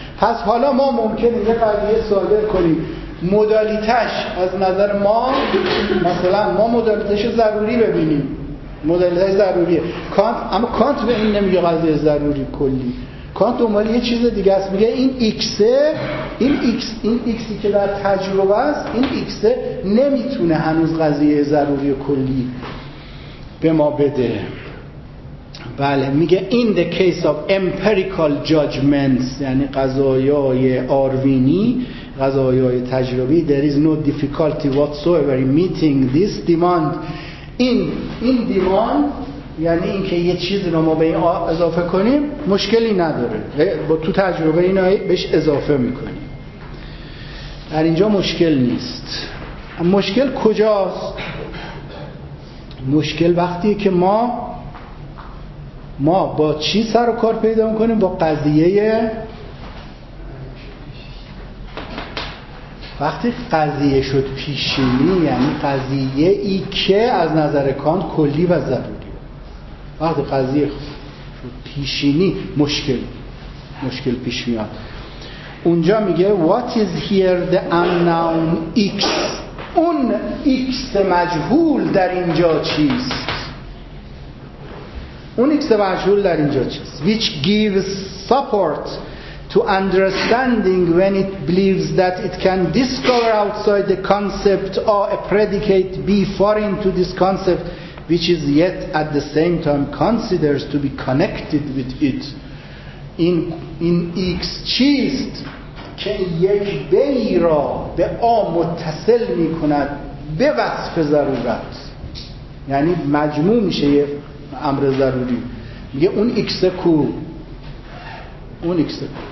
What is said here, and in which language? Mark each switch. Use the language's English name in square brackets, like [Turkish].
[Persian] پس حالا ما ممکنه یه قضیه صادر کنیم، مدالیتش از نظر ما، مثلا ما مدالیتش ضروری ببینیم، مدالیتش ضروریه کانت، اما کانت به این نمیگه قضیه ضروری کلی. کانت دنبال یه چیز دیگه است، میگه این ایکسه، این ایکس، این ایکسی که در تجربه است، این ایکسه نمیتونه هنوز قضیه ضروری کلی به ما بده. بله، میگه [English] in the case of empirical judgments، [Persian] یعنی قضایای آروینی، قضایای تجربی، [English] there is no difficulty whatsoever in meeting this demand. [Persian] این demand یعنی این که یه چیز رو ما به این اضافه کنیم مشکلی نداره، با تو تجربه اینا بهش اضافه میکنیم، در اینجا مشکل نیست. مشکل کجاست؟ مشکل وقتیه که ما با چی سر و کار پیدا میکنیم؟ با قضیه، وقتی قضیه شد پیشینی، یعنی قضیه ای که از نظر کانت کلی و ضروری، وقتی قضیه شد پیشینی مشکل پیش میاد. اونجا میگه [English] What is here the unknown X؟ [Persian] اون X مجهول در اینجا چیست؟ [English] اون ایکس مجهول در اینجا چیست؟ Which gives support to understanding when it believes that it can discover outside the concept or a predicate be foreign to this concept which is yet at the same time considers to be connected with it. [Persian] این ایکس چیست که یک بی را به آ متصل می کند به وصف ضرورت، یعنی مجموع میشه یه امر ضروری. میگه اون ایکس کو، اون ایکس کو.